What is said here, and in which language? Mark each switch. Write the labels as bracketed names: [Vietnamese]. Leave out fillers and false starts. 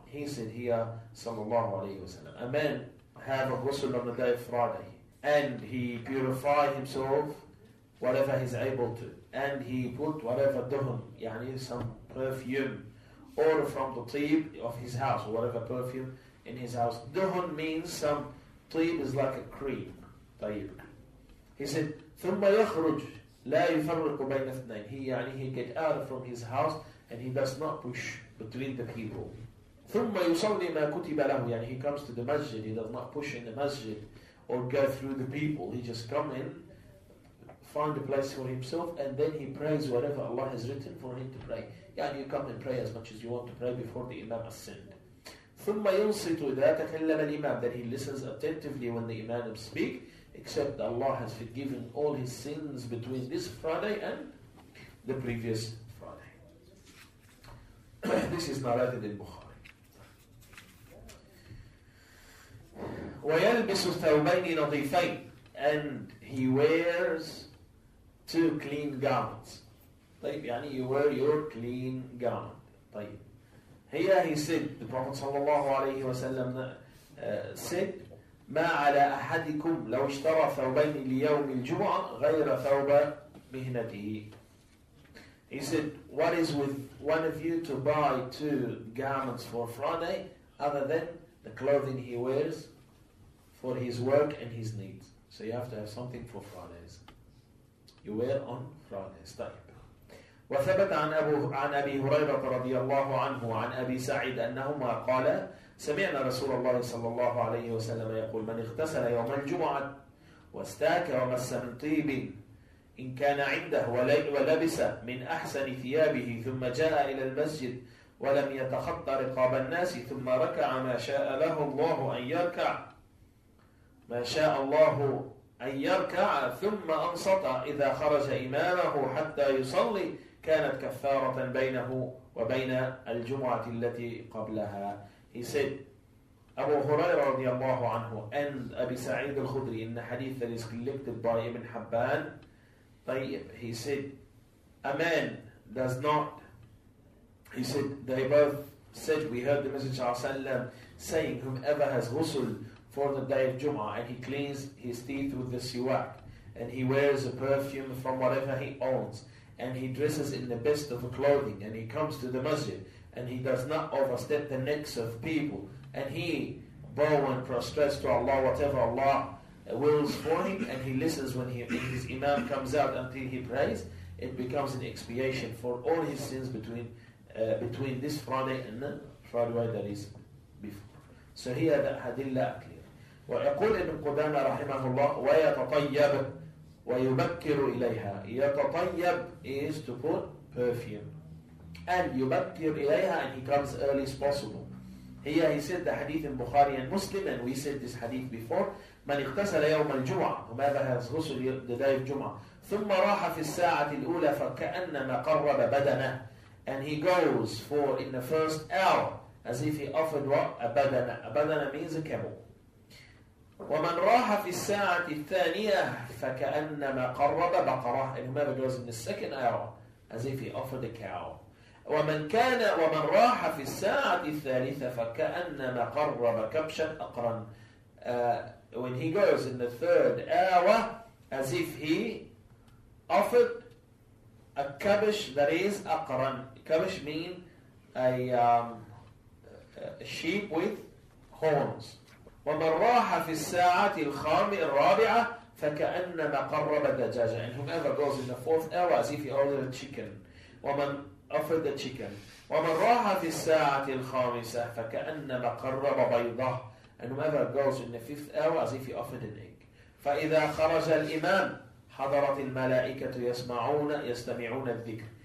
[English] He said here, [Arabic] صلى الله عليه وسلم, [English] a man have a ghusl on the day of Friday, and he purify himself whatever he's able to, and he put whatever dhum, يعني some perfume, or from the tib of his house, or whatever perfume in his house. Dhum means some tib is like a cream. [Arabic] طيب. [English] He said, [Arabic] ثم يخرج لا يفرق بين اثنين. [English] He get out from his house, and he does not push between the people. [Arabic] ثُمَّ يُصَلِّ مَا كُتِبَ لَهُ. [English] He comes to the masjid, he does not push in the masjid or go through the people. He just come in, find a place for himself, and then he prays whatever Allah has written for him to pray. يعني you come and pray as much as you want to pray before the imam ascend. [Arabic] ثُمَّ يُنصِتُ إِذَا تَكَلَّمَ الْإِمَامِ, [English] that he listens attentively when the imam speak, except that Allah has forgiven all his sins between this Friday and the previous Friday. This is narrated in Bukhari. [Arabic] وَيَلْبِسُ ثَوْبَيْنِ نَظِيفَيْنِ, [English] and he wears two clean garments. طيب, يعني you wear your clean garment. [Arabic] طيب. [English] Here he said, the Prophet [Arabic] صلى الله عليه وسلم [English] said, [Arabic] مَا عَلَىٰ أَحَدِكُمْ لَوْ اشْتَرَى ثَوْبَيْنِ لِيَوْمِ الْجُمْعَةِ غَيْرَ ثَوْبَ مِهْنَتِهِ. [English] He said, what is with one of you to buy two garments for Friday other than the clothing he wears for his work and his needs? So you have to have something for Fridays. You wear on Fridays. [Arabic] وثبت عن أبي هريرة رضي الله عنه عن أبي سعيد أنهما قالا سمعنا رسول الله صلى الله عليه وسلم يقول من اغتسل يوم الجمعة واستاك ومس من طيب إن كان عنده ولبس من أحسن ثيابه ثم جاء إلى المسجد ولم يتخطى رقاب الناس ثم ركع ما شاء له الله أن يركع ما شاء الله أن يركع ثم أنصت إذا خرج إمامه حتى يصلي كانت كفارة بينه وبين الجمعة التي قبلها. [English] He said, [Arabic] أبو هريرة رضي الله عنه أن أبي سعيد الخدري إن حديث [English] that is collected by Ibn Hibban. طيب, he said, a man does not, he said, they both said, we heard the Messenger of Allah saying, whomever has ghusl for the day of Jum'ah, and he cleans his teeth with the siwak, and he wears a perfume from whatever he owns, and he dresses in the best of clothing, and he comes to the masjid, and he does not overstep the necks of people, and he bow and prostrates to Allah, whatever Allah wills for him, and he listens when his imam comes out until he prays, it becomes an expiation for all his sins between this Friday and the Friday that is before. So here the hadilla are clear. [Arabic] ويقول ابن قدامة رحمه الله ويتطيب ويبكر إليها. [English] يتطيب is to put perfume. And [Arabic] يبكر إليها, [English] and he comes early as possible. Here he said the hadith in Bukhari and Muslim, and we said this hadith before. [Arabic] من اغتسل يوم الجمعة, [English] whomever has غسل the day of Jum'ah, [Arabic] ثم راح في الساعة الأولى فكأنما قرب بدنه, [English] and he goes for in the first hour as if he offered what? A badana. A badana means a camel. [Arabic] ومن راح في الساعة الثانية فكأنما قرب بقرة, [English] and whomever goes in the second hour as if he offered a cow. [Arabic] ومن كان ومن راح في الساعة الثالثة فكأنما قرب كبشا أقرا. [English] When he goes in the third hour as if he offered a kabish that is aqran. Kabish mean a sheep with horns. [Arabic] وَمَنْ رَاحَ فِي السَّاعَةِ الْخَامِ الرَّابِعَةِ فَكَأَنَّمَا قَرَّبَ دَجَاجًا. [English] And whoever goes in the fourth hour as if he ordered a chicken. [Arabic] وَمَنْ [English] offered the chicken. [Arabic] وَمَنْ رَاحَ فِي السَّاعَةِ الْخَامِسَةِ فَكَأَنَّمَا قَرَّبَ بَيْضَهُ. [English] And whoever goes in the fifth hour as if he offered an egg. [Arabic] فَإِذَا خَرَجَ الْإِمَامِ حضرت الملائكة يستمعون الذكر.